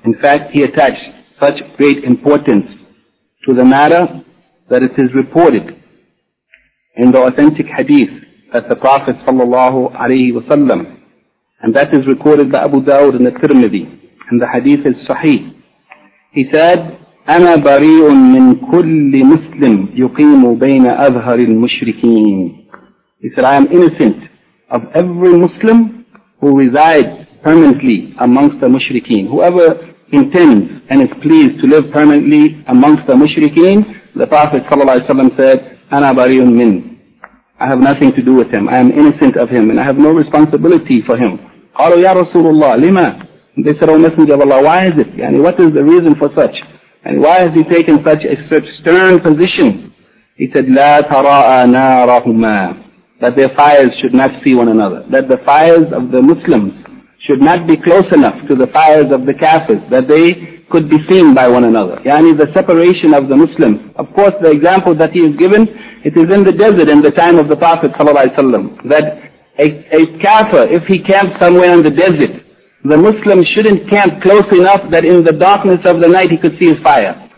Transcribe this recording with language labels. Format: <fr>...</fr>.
<en>In fact, he attached such great importance to the matter that it is reported in the authentic hadith that the Prophet ﷺ, and that is recorded by Abu Dawud and the Tirmidhi, and the hadith is sahih. He said,</en> <ar>أَنَا بَرِيءٌ مِّن كُلِّ مُسْلِمْ يُقِيمُ بَيْنَ أَظْهَرِ الْمُشْرِكِينَ.</ar> <en>He said, I am innocent of every Muslim who resides permanently amongst the mushrikeen. Whoever intends and is pleased to live permanently amongst the mushrikeen, the Prophet ﷺ said,</en> <ar>أَنَا بَرِيٌ مِّن.</ar> <en>I have nothing to do with him. I am innocent of him and I have no responsibility for him.</en> <ar>قَالُوا يَا رَسُولُ اللَّهِ لِمَا.</ar> <en>They said, O Messenger of Allah, why is it? Yani, what is the reason for such? And why has he taken such a stern position? He said,</en> <ar>لَا تَرَاءَ نَارَهُمَا.</ar> <en>That their fires should not see one another. That the fires of the Muslims should not be close enough to the fires of the Kafirs, that they could be seen by one another. Yani the separation of the Muslims. Of course, the example that he has given, it is in the desert in the time of the Prophet ﷺ, that a Kafir, if he camps somewhere in the desert, the Muslims shouldn't camp close enough that in the darkness of the night he could see his fire.</en>